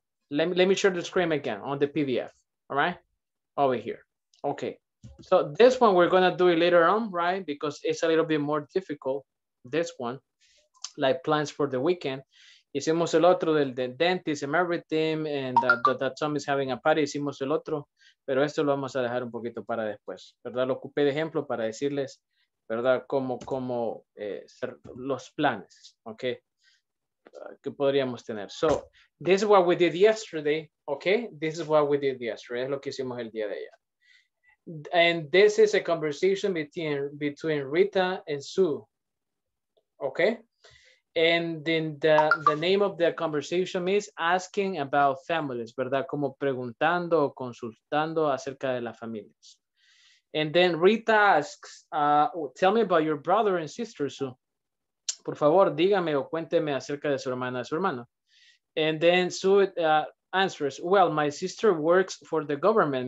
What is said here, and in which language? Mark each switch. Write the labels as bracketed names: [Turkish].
[English] Let me share the screen again on the PDF, all right? Over here, okay. So this one we're going to do it later on, right? Because it's a little bit more difficult, this one. like plans for the weekend. [Spanish] Hicimos el otro del [English] dentist and everything, and that Tom is having a party. [Spanish] Hicimos el otro, pero esto lo vamos a dejar un poquito para después, ¿verdad? Lo ocupé de ejemplo para decirles, ¿verdad? Cómo ser los planes, ¿ok? Que podríamos tener. [English] So, this is what we did yesterday, ¿ok? This is what we did yesterday, [Spanish] es lo que hicimos el día de ayer. [English] And this is a conversation between Rita and Sue, ¿ok? And then the name of the conversation is asking about families, ¿verdad? [Spanish] Como preguntando o consultando acerca de las familias. [English] And then Rita asks, tell me about your brother and sister, Sue. [Spanish] Por favor, dígame o cuénteme acerca de su hermana y su hermano. [English] And then Sue answers, well, my sister works for the government.